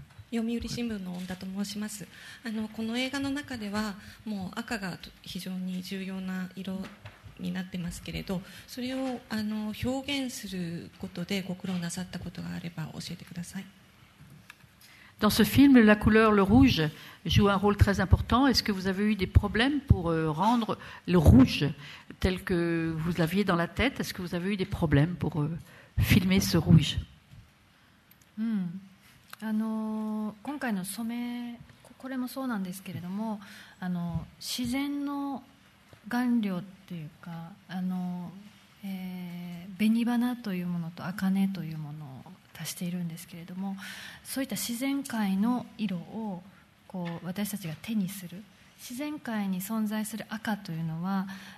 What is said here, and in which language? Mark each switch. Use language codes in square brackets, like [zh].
[ja] 読売新聞の恩田と申します。この映画の中ではもう赤が非常に重要な色になってますけれど、それを表現することでご苦労なさったことがあれば教えてください。 [fr] Dans ce film, la couleur, le rouge, joue un rôle très important. Est-ce que vous avez eu des problèmes pour rendre le rouge tel que vous aviez dans la tête? Est-ce que vous avez eu des problèmes pour filmer ce rouge? [ja] 今回の染め、これもそうなんですけれども、自然の顔料っていうか、紅花というものと茜というものを足しているんですけれども、そういった自然界の色をこう私たちが手にする、自然界に存在する赤というのは